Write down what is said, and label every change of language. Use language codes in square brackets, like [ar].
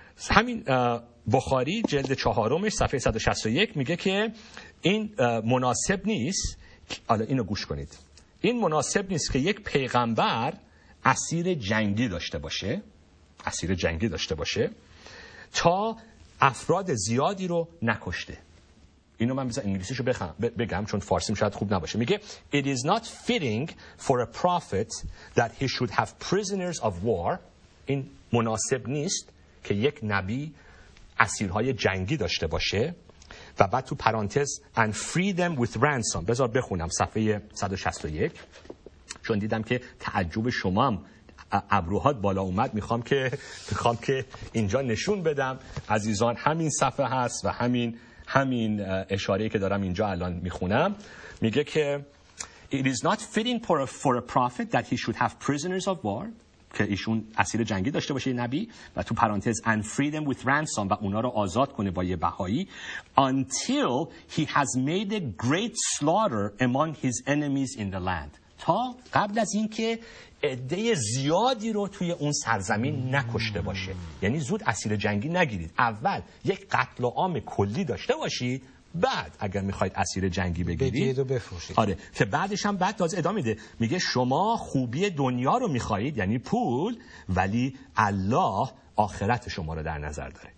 [fa] همین بخاری جلد چهارمش صفحه 161 میگه که این مناسب نیست، حالا اینو گوش کنید، این مناسب نیست که یک پیغمبر اسیر جنگی داشته باشه، اسیر جنگی داشته باشه تا افراد زیادی رو نکشته. اینو من بذار انگلیسیشو بگم چون فارسیم شاید خوب نباشه. میگه [en] It is not fitting for a prophet that he should have prisoners of war. [fa] این مناسب نیست که یک نبی اسیرهای جنگی داشته باشه و بعد تو پرانتز [en] and free them with ransom. [fa] بذار بخونم صفحه 161، چون دیدم که تعجب شما هم ابروهات بالا اومد، میخوام که اینجا نشون بدم عزیزان همین صفحه هست و همین اشاره‌ای که دارم اینجا الان میخونم. میگه که [en] It is not fitting for a prophet that he should have prisoners of war. [fa] که ایشون اسیر جنگی داشته باشه نبی و تو پرانتز [en] and freedom with ransom [fa] و اونا رو آزاد کنه با یه بهایی. [en] Until he has made a great slaughter among his enemies in the land. [fa] تا قبل از این که عده زیادی رو توی اون سرزمین نکشته باشه. یعنی زود اسیر جنگی نگیرید، اول یک قتل عام کلی داشته باشید، بعد اگر میخواید اسیر جنگی بگیرید و بفروشید، آره، که بعدش هم بعد تازه ادامه میده، میگه شما خوبی دنیا رو میخواید یعنی پول، ولی الله آخرت شما رو در نظر داره.